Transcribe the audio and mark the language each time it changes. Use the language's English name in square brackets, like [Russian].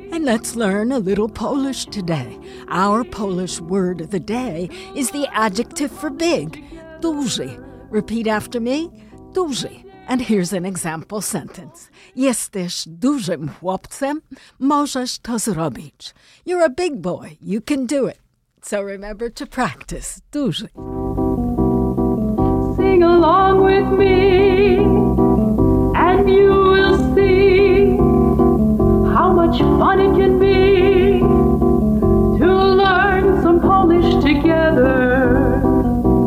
[English] Let's learn a little Polish today. Our Polish word of the day is the adjective for big, duży. Repeat after me, duży. And here's an example sentence. [Polish] Jesteś dużym chłopcem, możesz to zrobić. [English] You're a big boy, you can do it. So remember to practice, duży. Sing along with me, and you will see how much fun it can be to learn some Polish together.